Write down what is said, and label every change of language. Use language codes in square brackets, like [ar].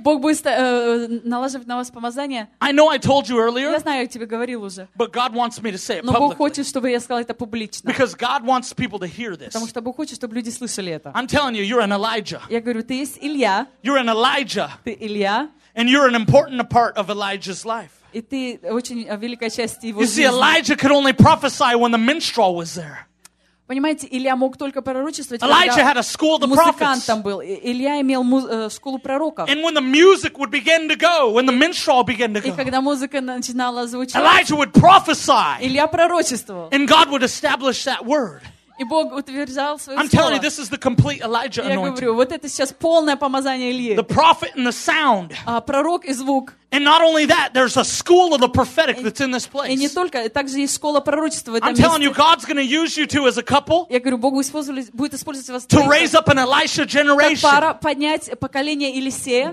[ru] Бог будет налаживать на вас помазание. [en] I know I told you earlier. [ru] Я знаю, я тебе говорил уже. [en] But God wants me to say it publicly. [ru] Но Бог хочет, чтобы я сказал это публично. [en] Because God wants people to hear this. [ru] Потому что Бог хочет, чтобы люди слышали это. [en] I'm telling you, you're an Elijah. [ru] Я говорю, ты есть Илья. [en] You're an Elijah. [ru] Ты Илья. [en] And you're an important part of Elijah's life. [ru] И ты очень великая часть его жизни. [en] You see, Elijah could only prophesy when the minstrel was there. [ru] Понимаете, Илья мог только пророчествовать, [en] Elijah [ru] когда [en] had a school of the [ru] музыкантом был. Илья имел школу пророков. [en] And when the music would begin to go, when the minstrel began to go. [ru] И когда музыка начинала звучать, [en] Elijah would prophesy. [ru] Илья пророчествовал. [en] And God would establish that word. [ru] И Бог утверждал свое [en] I'm [ru] слово. [en] Telling you, this is the complete Elijah anointing. [ru] Я говорю, вот это сейчас полное помазание Ильи. [en] The prophet and the sound. [ru] Пророк и звук. [en] And not only that, there's a school of the prophetic that's in this place. [ru] И не только, также есть школа пророчества в этом месте. [en] I'm telling you, God's going to use you two as a couple. [ru] Я говорю, Бог будет использовать вас. [en] To raise up an Elisha generation. [ru] Как пара, поднять поколение Елисея.